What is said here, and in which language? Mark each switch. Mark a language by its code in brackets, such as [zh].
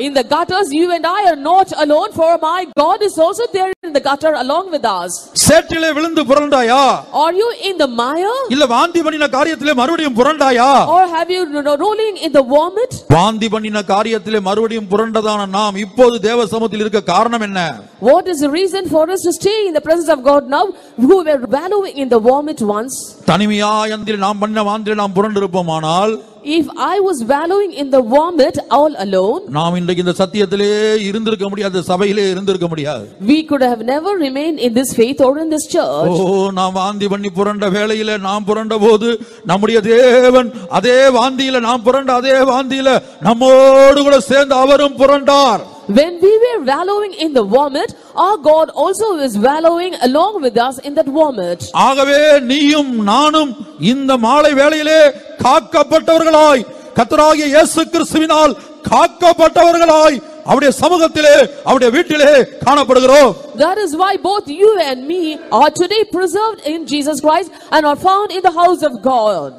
[en] In the gutters you and I are not alone, for my God is also there in the gutter along with us. [ta] சேற்றிலே விழுந்து புரண்டாயா? [en] Are you in the mire? [ta] இல்ல வாந்தி பண்ணின காரியத்திலே மறுபடியும் புரண்டாயா? [en] Or have you rolling in the vomit? [ta] வாந்தி பண்ணின காரியத்திலே மறுபடியும் புரண்டதான நாம் இப்போது தேவ சமூகத்தில் இருக்க காரணம் என்ன? [en] What is the reason for us to stay in the presence of God now who were wallowing in the vomit once? [ta] தனிமையா அந்தில் நாம் பண்ண வாந்தில் நாம் புரண்டிருப்போமானால், [en] If I was wallowing in the vomit all alone, [ta] நாம் இன்றைக்கு இந்த சத்தியத்திலே இருந்திருக்க முடியாது, சபையிலே இருந்திருக்க முடியாது. [en] We could have never remained in this faith or in this church. [ta] ஓ, நாம் வாந்தி பண்ணி புரண்ட வேளையிலே நாம் புரண்டபோது நம்முடைய தேவன் அதே வாந்தியிலே நாம் புரண்ட அதே வாந்தியிலே நம்மோடு கூட சேர்ந்து அவரும் புரண்டார். [en] When we were wallowing in the vomit, our God also was wallowing along with us in that vomit. [ta] ஆகவே நீயும் நானும் இந்த மாலை வேளையிலே காக்கப்பட்டவர்களாய், கர்த்தராகிய இயேசு கிறிஸ்துவினால் காக்கப்பட்டவர்களாய் அவருடைய சமூகத்திலே அவருடைய வீட்டிலே காணப்படுகிறோம். [en] That is why both you and me are today preserved in Jesus Christ and are found in the house of God.